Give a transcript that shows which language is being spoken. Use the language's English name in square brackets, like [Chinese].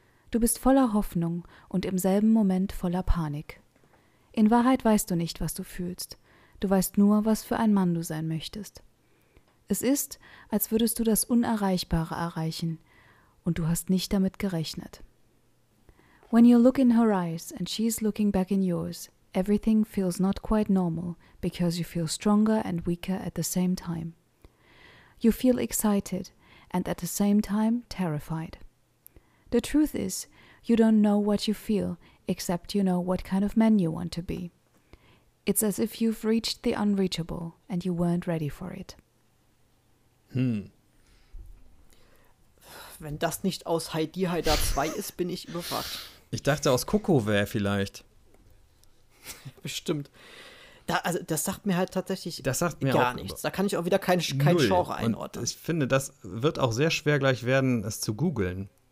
[German] Du bist voller Hoffnung und im selben Moment voller Panik. In Wahrheit weißt du nicht, was du fühlst. Du weißt nur, was für ein Mann du sein möchtest. Es ist, als würdest du das Unerreichbare erreichen und du hast nicht damit gerechnet. [English] When you look in her eyes and she's looking back in yours, everything feels not quite normal because you feel stronger and weaker at the same time. You feel excited and at the same time terrified. The truth is, you don't know what you feel, except you know what kind of man you want to be. It's as if you've reached the unreachable and you weren't ready for it. Hm. [German] Wenn das nicht aus Heidi Heida 2 ist, bin ich überfragt. Ich dachte, aus Coco wäre vielleicht. Bestimmt. Da, also, das sagt mir halt tatsächlich das sagt mir gar auch nichts. Da kann ich auch wieder kein Genre einordnen. Und ich finde, das wird auch sehr schwer gleich werden, es zu googeln.